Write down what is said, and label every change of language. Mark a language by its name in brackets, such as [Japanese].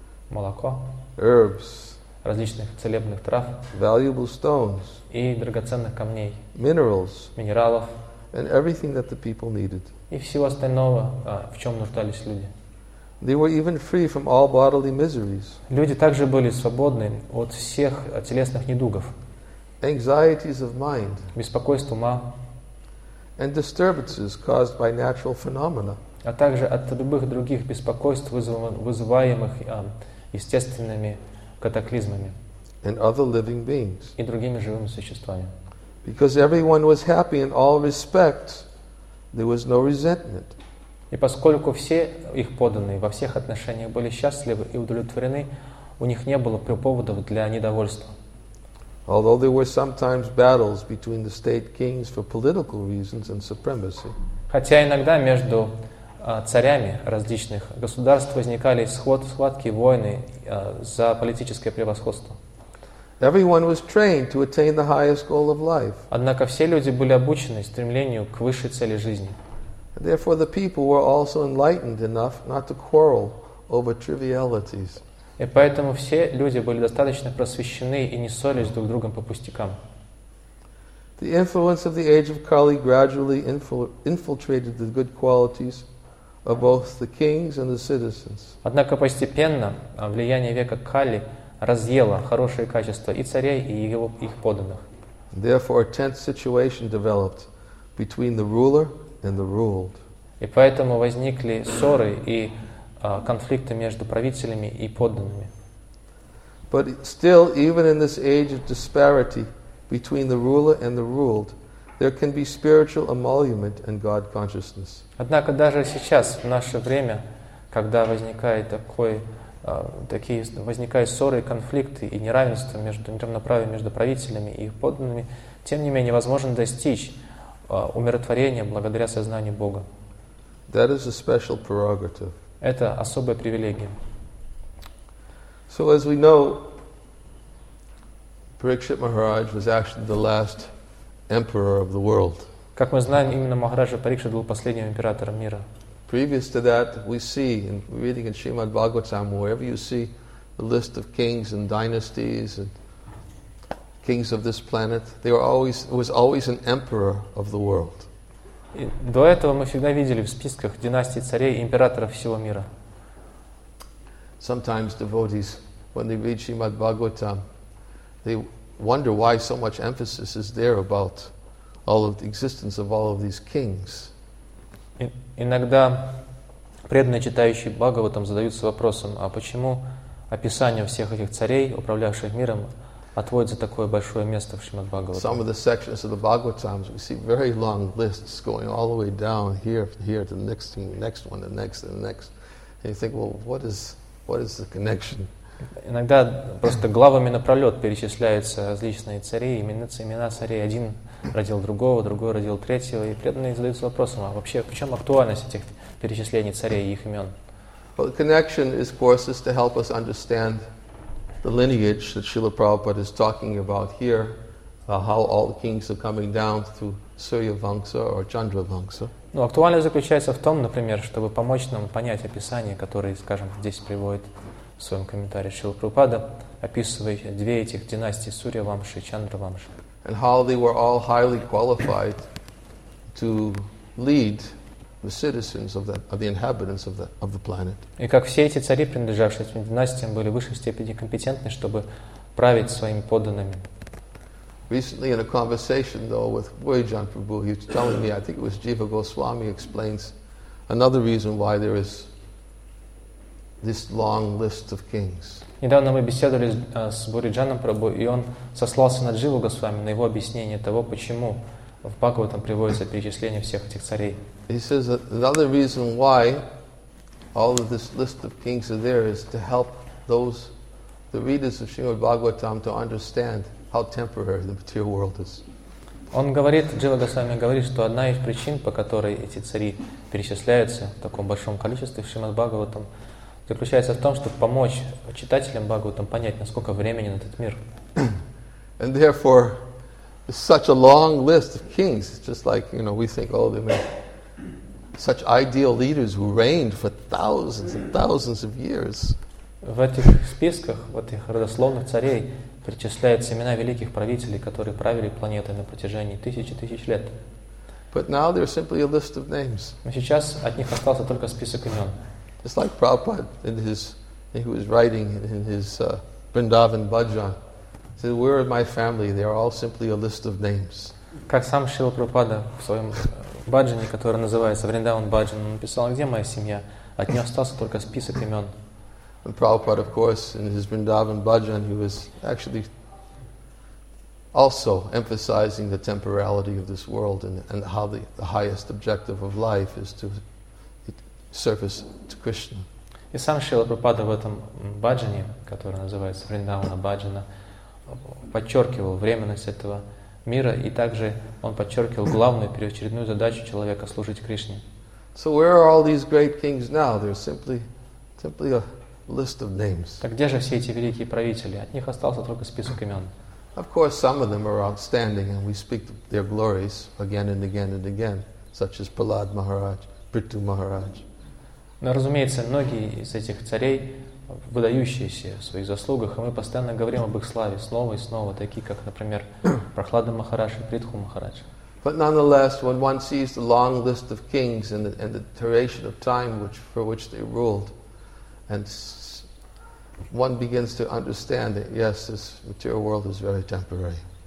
[Russian] Молоко. [English] Herbs. [Russian] Различных целебных трав. [English] Valuable stones. [Russian] И драгоценных камней. [English] Minerals. [Russian] Минералов. [English] And everything that the people needed. [Russian] И всего остального, в чем нуждались люди. [English] They were even free from all bodily miseries. [Russian] Люди также были свободны от всех телесных недугов. [English] Anxieties of mind. [Russian] Беспокойств ума. [English] And disturbances caused by natural phenomena. [Russian] А также от любых других беспокойств, вызываемых естественными катаклизмами. [English] And other living beings. [Russian] И другими живыми существами. [English] Because everyone was happy in all respects, there was no resentment. [Russian] И поскольку все их подданные во всех отношениях были счастливы и удовлетворены, у них не было поводов для недовольства. [English] Although there were sometimes battles between the state kings for political reasons and supremacy. [Russian] Хотя иногда между царями различных государств возникали схватки, войны за политическое превосходство. [English] Everyone was trained to attain the highest goal of life. [Russian] Однако все люди были обучены стремлению к высшей цели жизни. [English] Therefore, the people were also enlightened enough not to quarrel over trivialities. [Russian] И поэтому все люди были достаточно просвещены и не ссорились друг с другом по пустякам. [English] The influence of the age of Kali gradually infiltrated the good qualities of both the kings and the citizens. [Russian] Однако постепенно влияние века Кали разъела хорошие качества и царей, и его, их подданных. [English] Therefore, a tense situation developed between the ruler and the ruled. [Russian] И поэтому возникли ссоры и конфликты между правителями и подданными. [English] But still, even in this age of disparity between the ruler and the ruled, there can be spiritual emolument and God consciousness. [Russian] Однако даже сейчас, в наше время, когда возникает такой такие возникают ссоры и конфликты и неравенство между неравноправием между правителями и их подданными, тем не менее возможно достичь умиротворения благодаря сознанию Бога. [English] That is a special prerogative. [Russian] Это особая привилегия. [English] So as we know, Parikshit Maharaj was actually the last emperor of the world. [Russian] Как мы знаем, именно Махараджа Парикшит был последним императором мира. [English] Previous to that, we see in reading in Srimad Bhagavatam, wherever you see the list of kings and dynasties and kings of this planet, there were always was always an emperor of the world. [Russian] До этого мы всегда видели в списках династий царей и императоров всего мира. [English] Sometimes devotees, when they read Srimad Bhagavatam, they wonder why so much emphasis is there about all of the existence of all of these kings. [Russian] Иногда преданные, читающие Бхагаватам, задаются вопросом, а почему описание всех этих царей, управлявших миром, отводится такое большое место в Шримад Бхагаватам? [English] Some of the sections of the Bhagavatams, we see very long lists going all the way down here, here to the next, next one, the next, and the next. And you think, well, what is the connection? [Russian] Иногда просто главами напролет перечисляются различные цари, имена царей. Один родил другого, другой родил третьего. И преданные задаются вопросом, а вообще в чем актуальность этих перечислений царей и их имен? [English] Well, the connection is, of course, is to help us understand the lineage that Srila Prabhupada is talking about here, how all the kings are coming down through Surya Vamsa or Chandra Vamsa. [Russian] Ну, актуальность заключается в том, например, чтобы помочь нам понять описание, которое, скажем, здесь приводит в своем комментарии Шрила Прабхупада, описывая две этих династии Сурья Вамши и Чандра Вамши. [English] And how they were all highly qualified to lead the citizens of the inhabitants of the planet. [Russian] И как все эти цари, принадлежавшие этим династиям, были в высшей степени компетентны, чтобы править своими подданными. [English] Recently in a conversation though with Vajjan Prabhu, he was telling me, I think it was Jiva Goswami explains another reason why there is this long list of kings. [Russian] Недавно мы беседовали с Буриджаном Прабху, и он сослался на Дживу Госвами, на его объяснение того, почему в Бхагаватам приводится перечисление всех этих царей. [English] He says that another reason why all of this list of kings are there is to help those, the readers of Srimad Bhagavatam, to understand how temporary the material world is. [Russian] Он говорит, Джива Госвами говорит, что одна из причин, по которой эти цари перечисляются в таком большом количестве в Шримад Бхагаватам, заключается в том, чтобы помочь читателям Бхагаватам понять, насколько временен этот мир. [English] And therefore, such a long list of kings, just like, you know, we think, oh, they may... such ideal leaders who reigned for thousands and thousands of years. [Russian] В этих списках, в этих родословных царей, перечисляются имена великих правителей, которые правили планетой на протяжении тысяч и тысяч лет. [English] But now they're simply a list of names. [Russian] Но сейчас от них остался только список имен. [English] It's like Prabhupada in his, he was writing in his Vrindavan Bhajan. He said, where are my family? They are all simply a list of names. [Russian] Как сам Шрила Прабхупада в своем Баджане, который называется Вриндаван Баджан, он написал, где моя семья? От него остался только список имен. [English] And Prabhupada, of course, in his Vrindavan Bhajan, he was actually also emphasizing the temporality of this world and how the highest objective of life is to service to Krishna. [Russian] И сам Шрила Прабхупада в этом Баджане, который называется Вриндавана Баджана, подчеркивал временность этого мира, и также он подчеркивал главную, первоочередную задачу человека — служить Кришне. [English] So where are all these great kings now? They're simply a list of names. [Russian] Так где же все эти великие правители? От них остался только список имен. [English] Of course, some of them are outstanding, and we speak their glories again and again and again, such as Prahlad Maharaj, Prithu Maharaj. [Russian] Но, разумеется, многие из этих царей выдающиеся в своих заслугах, и мы постоянно говорим об их славе снова и снова, такие как, например, Прахлада Махарадж и Притху Махарадж. [English] But nonetheless, when one sees the long list of kings and the duration of time which, for which they ruled, and one begins to understand that yes, this material world is very temporary.